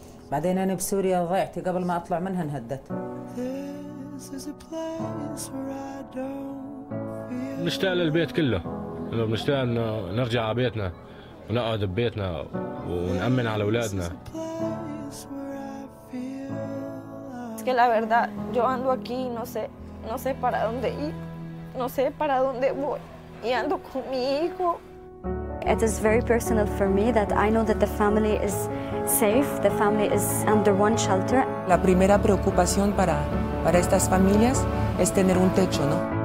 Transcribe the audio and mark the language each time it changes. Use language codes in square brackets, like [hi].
[ar] بعدين أنا بسوريا ضيعت قبل ما أطلع منها انهدت. بنشتاق للبيت كله. بنشتاق إنه نرجع على بيتنا ونقعد ببيتنا ونأمن على أولادنا. [es] Es que la verdad, yo ando aquí y no sé para dónde ir, no sé para dónde voy, y ando con mi hijo. [en] It is very personal for me that I know that the family is safe, the family is under one shelter. [es] La primera preocupación para estas familias es tener un techo, ¿no?